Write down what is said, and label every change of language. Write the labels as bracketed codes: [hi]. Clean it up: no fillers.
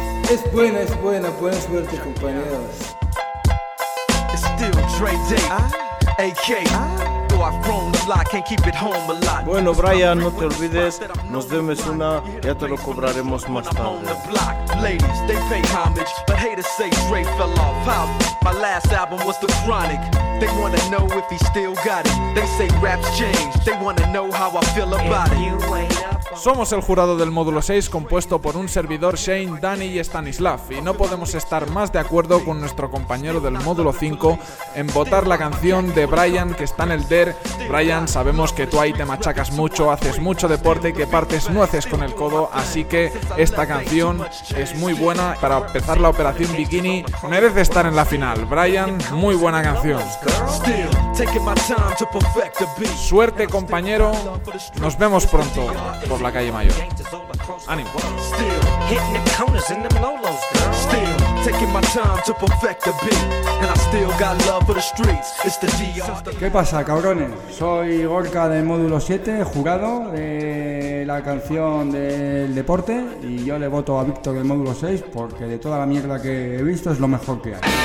[es] Es buena suerte, compañeros. Bueno, Brian, no te olvides, nos debes una, ya te lo cobraremos más tarde. [en] Ladies, they pay homage, but haters say Dre fell off. How? My last album was The Chronic. They wanna know if he still got it. They say rap's changed. They wanna know how I feel about it. [es] Somos el jurado del módulo 6, compuesto por un servidor, Shane, Danny y Stanislav, y no podemos estar más de acuerdo con nuestro compañero del módulo 5 en votar la canción de Brian, que está en el DER. Brian, sabemos que tú ahí te machacas mucho, haces mucho deporte y que partes nueces con el codo, así que esta canción es muy buena para empezar la operación bikini. Merece estar en la final, Brian, muy buena canción. Suerte, compañero, nos vemos pronto por la calle mayor. Ánimo. [en] Still hitting the corners in them lolos, girl. Still taking my time to perfect the beat. And I still got love for the streets. It's the DR. [es] ¿Qué pasa, cabrones? Soy Gorka del módulo 7, jurado de la canción del deporte. Y yo le voto a Víctor del módulo 6 porque de toda la mierda que he visto es lo mejor que hay.